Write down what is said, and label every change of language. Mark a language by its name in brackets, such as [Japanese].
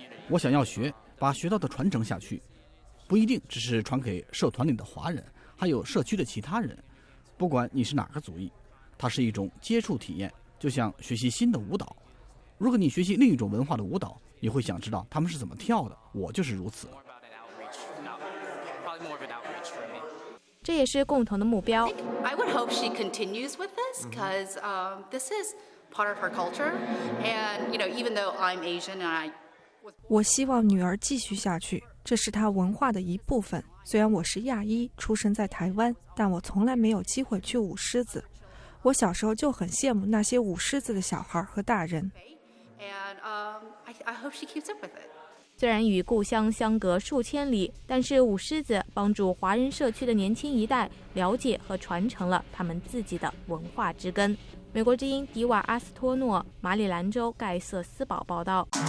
[Chinese] 我想要学，把学到的传承下去，不一定只是传给社团里的华人，还有社区的其他人，不管你是哪个族裔，它是一种接触体验，就像学习新的舞蹈。如果你学习另一种文化的舞蹈，你会想知道他们是怎么跳的，我就是如此。这也是共同的目标。 [English] I would hope she continues with this because this is part of her culture and you know even though I'm Asian and I [Chinese] 我希望女儿继续下去，这是她文化的一部分。虽然我是亚裔，出生在台湾，但我从来没有机会去舞狮子。我小时候就很羡慕那些舞狮子的小孩和大人。 [English] And I hope she keeps up with it. [Chinese] 虽然与故乡相隔数千里，但是舞狮子帮助华人社区的年轻一代了解和传承了他们自己的文化之根。美国之音迪瓦阿斯托诺，马里兰州盖瑟斯堡报道。